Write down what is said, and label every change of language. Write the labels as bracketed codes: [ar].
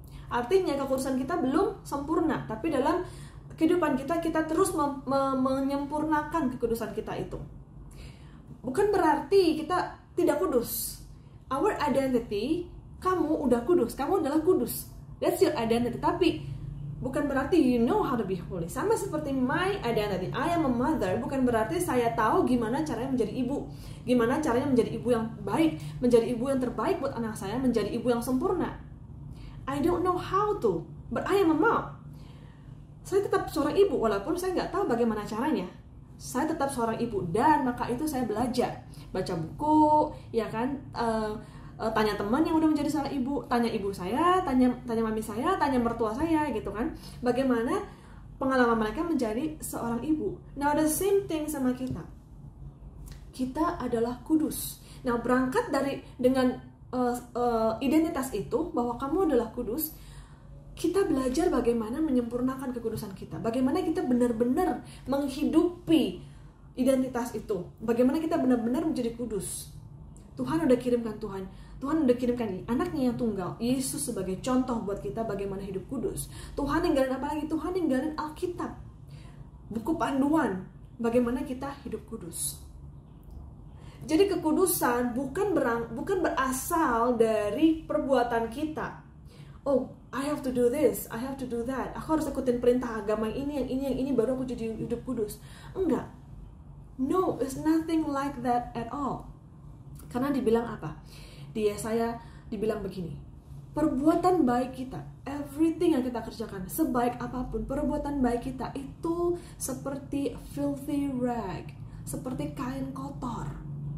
[id] Artinya kekudusan kita belum sempurna, tapi dalam kehidupan kita, kita terus menyempurnakan kekudusan kita itu. Bukan berarti kita tidak kudus. [en] Our identity, [id] kamu udah kudus, kamu adalah kudus. [en] That's your identity, [id] tapi bukan berarti [en] you know how to be holy. [id] Sama seperti [en] my identity, I am a mother, [id] bukan berarti saya tahu gimana caranya menjadi ibu, gimana caranya menjadi ibu yang baik, menjadi ibu yang terbaik buat anak saya, menjadi ibu yang sempurna. [en] I don't know how to, but I am a mom. [id] Saya tetap seorang ibu, walaupun saya gak tahu bagaimana caranya. Saya tetap seorang ibu, dan maka itu saya belajar. Baca buku, ya kan, tanya teman yang udah menjadi seorang ibu, tanya ibu saya, tanya mami saya, tanya mertua saya, gitu kan, bagaimana pengalaman mereka menjadi seorang ibu. [en] Now the same thing [id] sama kita, kita adalah kudus. Nah, berangkat dari dengan identitas itu bahwa kamu adalah kudus, kita belajar bagaimana menyempurnakan kekudusan kita, bagaimana kita benar-benar menghidupi identitas itu. Bagaimana kita benar-benar menjadi kudus? Tuhan udah kirimkan Tuhan udah kirimkan anaknya yang tunggal, Yesus, sebagai contoh buat kita bagaimana hidup kudus. Tuhan ninggalin apa lagi? Tuhan ninggalin Alkitab, buku panduan bagaimana kita hidup kudus. Jadi kekudusan bukan berasal dari perbuatan kita. [en] Oh, I have to do this, I have to do that. [id] Aku harus ikutin perintah agama yang ini, baru aku jadi hidup kudus. Enggak. [en] No, it's nothing like that at all. [id] Karena dibilang apa? Di Yesaya dibilang begini, perbuatan baik kita, everything yang kita kerjakan, sebaik apapun, perbuatan baik kita itu seperti [en] filthy rag, [id] seperti kain kotor.